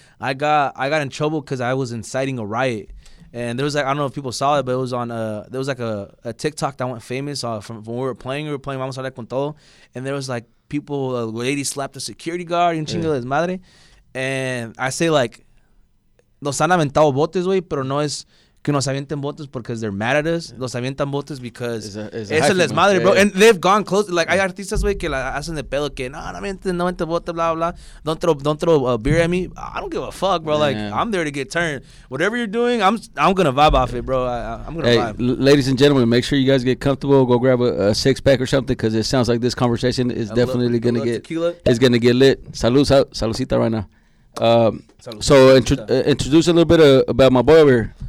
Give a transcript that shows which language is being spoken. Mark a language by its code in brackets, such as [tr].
[en] I got in trouble because I was inciting a riot. And there was, like, I don't know if people saw it, but it was on, there was, like, a TikTok that went famous from we were playing Vamos a Hablar con Todo. And there was, like, people, a lady slapped a security guard, [es] un chingo de madre. [en] And I say, like, [es] nos han aventado botes, güey, pero no es... Que nos avientan botes [en] because they're mad at us. Yeah. [es] Los avientan botes [en] because it's a desmadre, bro. And they've gone close. [es] Like, hay artistas, güey, que la hacen de pedo que no avienta botes, blah, blah. [en] Don't throw a beer at me. I don't give a fuck, bro. Man. Like, I'm there to get turned. Whatever you're doing, I'm going to vibe off it, bro. I'm going to vibe. Ladies and gentlemen, make sure you guys get comfortable. Go grab a six-pack or something because it sounds like this conversation is definitely going to get tequila. It's going to get lit. Salucita right now. Introduce a little bit about my boy over here.